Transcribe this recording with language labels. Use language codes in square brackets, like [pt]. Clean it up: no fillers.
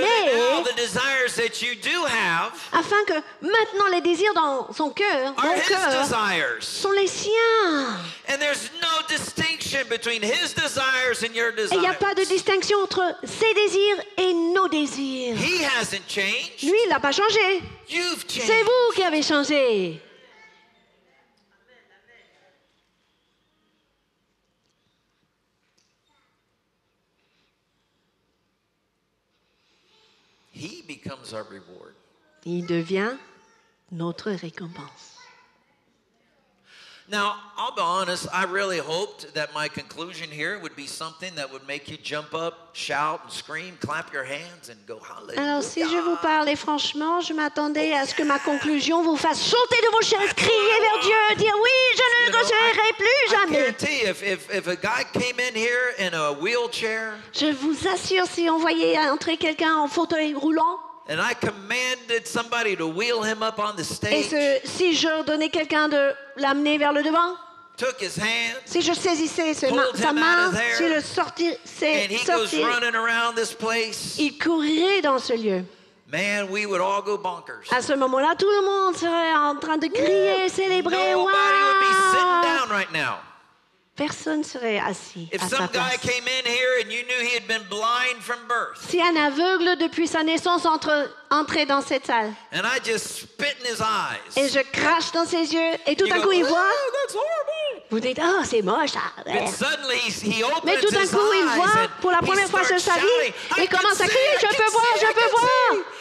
[en] So that all the desires that you do have. [fr] Afin que maintenant les désirs dans son cœur, [en] are his desires. [fr] Sont les siens. [en] And there's no distinction between his desires and your desires. [fr] Il n'y a pas de distinction entre ses désirs et nos désirs. [en] He hasn't changed. [fr] Lui, il n'a pas changé. [en] You've changed. [fr] C'est vous qui avez changé. [en] He becomes our reward. [fr] Il devient notre récompense. [en] Now, I'll be honest, I really hoped that my conclusion here would be something that would make you jump up, shout and scream, clap your hands and go hallelujah. [fr] Alors si je vous parlais franchement, je m'attendais à ce que ma conclusion vous fasse sauter de vos chaises, crier vers Dieu, dire oui, je ne recevrai plus jamais. [en] I guarantee if a guy came in here in a wheelchair. [fr] Je vous assure si on voyait entrer quelqu'un en fauteuil roulant. [en] And I commanded somebody to wheel him up on the stage. [fr] Et si je donnais quelqu'un de l'amener vers le devant. [en] Took his hand. [fr] Si je saisissais sa main. Si le sortissais. [en] And he goes running around this place. [fr] Il courrait dans ce lieu. [en] Man, we would all go bonkers. [fr] À ce moment-là, tout le monde serait en train de crier, yeah. Célébrer. [en] Nobody would be sitting down right now. [fr] Personne serait assis [en] if [fr] à [en] some [fr] sa [en] guy [fr] place. [en] Came in here and you knew he had been blind from birth. [fr] Si un aveugle depuis sa naissance entrait dans cette salle. [en] And I just spit in his eyes. [fr] Et je crache dans ses yeux et tout [en] you [fr] à coup [en] go, [fr] il voit. [en] That's horrible. [fr] Vous dites oh c'est moche. [en] But suddenly he opens [fr] mais tout à coup [en] his [fr] il voit pour la première fois de sa vie et commence à crier je peux voir, je peux voir.